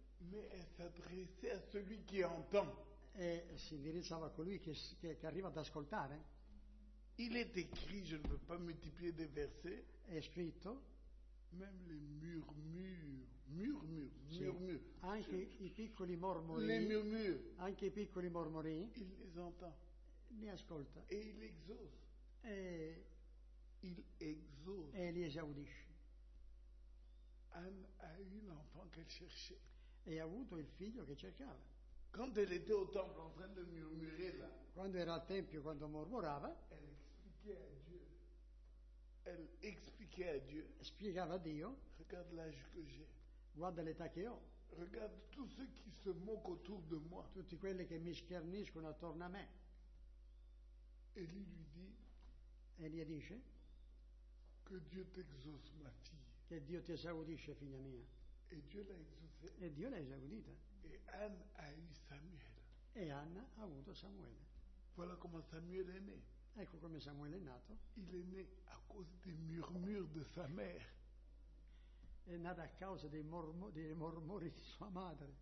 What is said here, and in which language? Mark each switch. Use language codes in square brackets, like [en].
[fr] Mais elle s'adressait à celui qui entend. [it] E si indirizzava a colui che arriva ad ascoltare. [fr] Il est écrit, je ne veux pas multiplier des versets. [it] È scritto. [fr] Même les murmures, [it] anche i piccoli mormori, [fr] les murmures, [it] anche i piccoli mormori, [fr] il les entend, [it] li ascolta, [fr] et il exauce, [it] e [fr] il exauce, [it] e li esaudisce. [fr] Anne a eu l'enfant qu'elle cherchait. [it] E ha avuto il figlio che cercava. [fr] Quand elle était au temple en train de murmurer là, [it] quando era al tempio, quando mormorava, [fr] elle expliquait à Dieu. Elle expliquait à Dieu. [it] Spiegava a Dio. [fr] Regarde l'âge que j'ai. [it] Guarda l'età che ho. [fr] Regarde tous ceux qui se moquent autour de moi. [it] Tutti quelli che mi scherniscono attorno a me. [fr] Et lui dit. [it] Elia dice. [fr] Que Dieu t'exauce, ma fille. [it] Che Dio ti esaudisce, figlia mia. [fr] Et Dieu l'a exaucé. [it] E Dio l'ha esaudita. [fr] Et Anne a eu Samuel. [it] E Anna ha avuto Samuele. [fr] Voilà comment Samuel est né. [it] Ecco come Samuele è nato. [fr] Il est né à cause des murmures de sa mère. [it] È nata a causa dei mormori di sua madre.